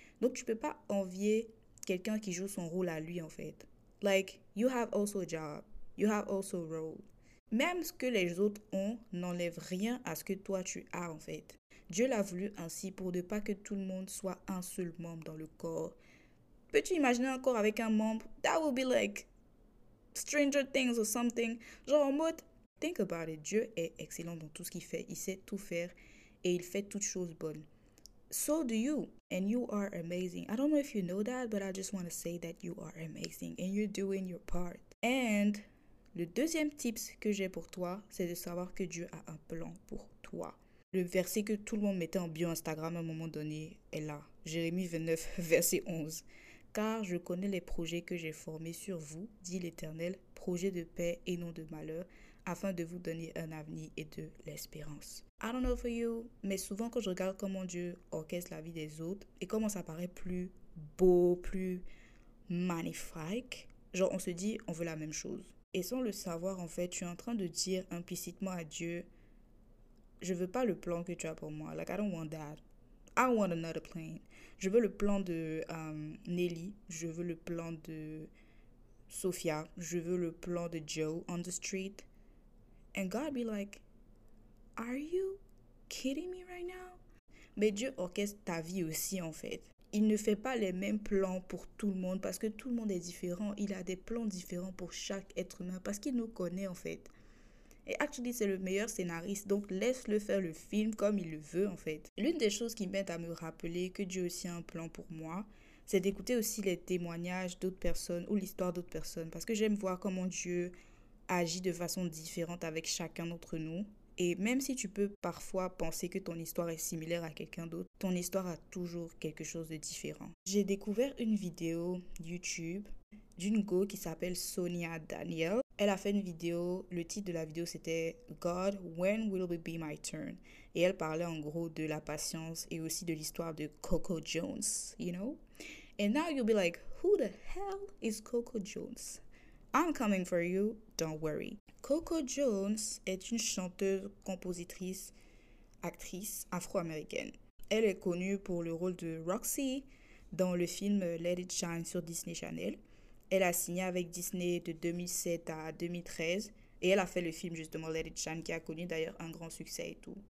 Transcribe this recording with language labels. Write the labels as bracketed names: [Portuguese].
[French] Donc tu ne peux pas envier quelqu'un qui joue son rôle à lui en fait. [English] Like, you have also a job. You have also a role. [French] Même ce que les autres ont n'enlève rien à ce que toi tu as en fait. Dieu l'a voulu ainsi pour ne pas que tout le monde soit un seul membre dans le corps. Peux-tu imaginer un corps avec un membre? [English] That would be like Stranger Things or something. [French] Genre en mode, [English] think about it, [French] Dieu est excellent dans tout ce qu'il fait. Il sait tout faire et il fait toutes choses bonnes. [English] So do you, and you are amazing. I don't know if you know that, but I just want to say that you are amazing and you're doing your part. [French] And le deuxième tips que j'ai pour toi, c'est de savoir que Dieu a un plan pour toi. Le verset que tout le monde mettait en bio Instagram à un moment donné est là. Jérémie 29, verset 11. Car je connais les projets que j'ai formés sur vous, dit l'Éternel, projets de paix et non de malheur, afin de vous donner un avenir et de l'espérance. [English] I don't know for you, [French] mais souvent quand je regarde comment Dieu orchestre la vie des autres et comment ça paraît plus beau, plus magnifique, genre on se dit, on veut la même chose. Et sans le savoir, en fait, tu es en train de dire implicitement à Dieu, je ne veux pas le plan que tu as pour moi. [English] Like, I don't want that. I want another plan. [French] Je veux le plan de Nelly. Je veux le plan de Sophia. Je veux le plan de Joe on the street. [English] And God be like, are you kidding me right now? [French] Mais Dieu orchestre ta vie aussi, en fait. Il ne fait pas les mêmes plans pour tout le monde parce que tout le monde est différent. Il a des plans différents pour chaque être humain parce qu'il nous connaît en fait. Et actually, c'est le meilleur scénariste. Donc, laisse-le faire le film comme il le veut en fait. L'une des choses qui m'aide à me rappeler que Dieu aussi a un plan pour moi, c'est d'écouter aussi les témoignages d'autres personnes ou l'histoire d'autres personnes parce que j'aime voir comment Dieu agit de façon différente avec chacun d'entre nous. Et même si tu peux parfois penser que ton histoire est similaire à quelqu'un d'autre, ton histoire a toujours quelque chose de différent. J'ai découvert une vidéo YouTube d'une go qui s'appelle Sonia Daniel. Elle a fait une vidéo, le titre de la vidéo c'était « [English] God, when will it be my turn ?» [French] Et elle parlait en gros de la patience et aussi de l'histoire de Coco Jones, [English] you know? And now you'll be like, who the hell is Coco Jones? I'm coming for you, don't worry. [French] Coco Jones est une chanteuse, compositrice, actrice afro-américaine. Elle est connue pour le rôle de Roxy dans le film Let It Shine sur Disney Channel. Elle a signé avec Disney de 2007 à 2013 et elle a fait le film justement Let It Shine qui a connu d'ailleurs un grand succès et tout.